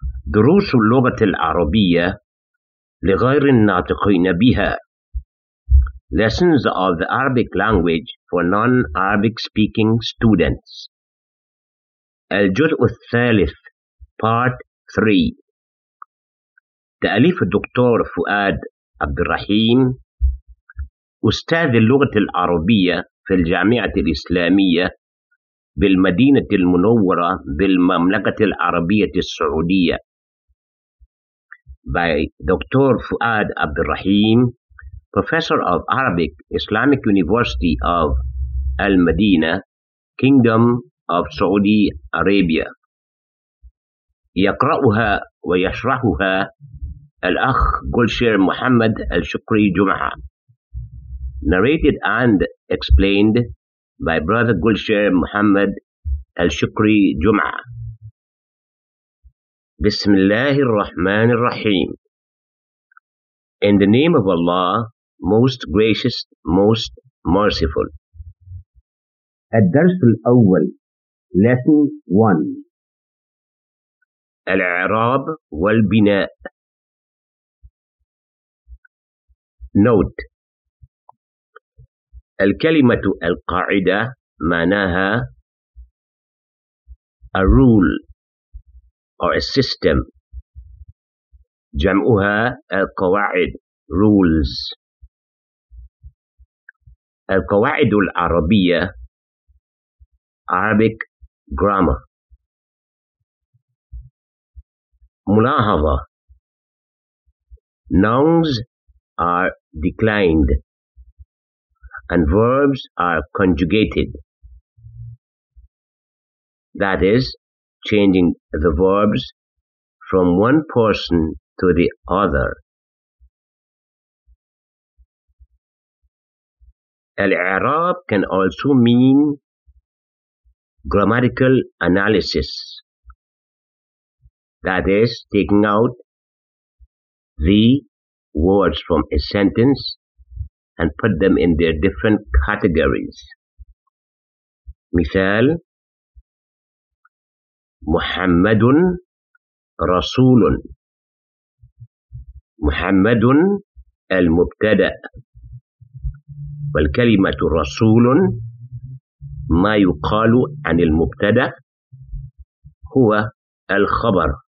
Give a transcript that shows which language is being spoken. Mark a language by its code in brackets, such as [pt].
[ar] دروس اللغة العربية لغير الناطقين بها. [en] Lessons of the Arabic language for non-Arabic speaking students. [ar] الجزء الثالث [en] Part 3. [ar] تأليف الدكتور فؤاد عبد الرحيم أستاذ اللغة العربية في الجامعة الإسلامية بالمدينة المنورة بالمملكة العربية السعودية. [en] By Dr. Fuad Abdul Rahim, Professor of Arabic, Islamic University of Al-Madinah, Kingdom of Saudi Arabia. [ar] يقرأها ويشرحها الأخ جولشير محمد الشكري جمعة. [en] Narrated and explained by Brother جولشير محمد الشكري جمعة. [ar] بسم الله الرحمن الرحيم. [en] In the name of Allah, most gracious, most merciful. [ar] الدرس الأول [en] Lesson 1 [ar] الإعراب والبناء. [en] Note: [ar] الكلمة القاعدة معناها [en] A rule or a system. [ar] جمعها القواعد rules. القواعد العربية [en] Arabic grammar. ملاحظة Nouns are declined and verbs are conjugated. That is, changing the verbs from one person to the other. Al-i'rab can also mean grammatical analysis, that is, taking out the words from a sentence and put them in their different categories. [ar] Misal, محمد رسول محمد المبتدأ والكلمة رسول ما يقال عن المبتدأ هو الخبر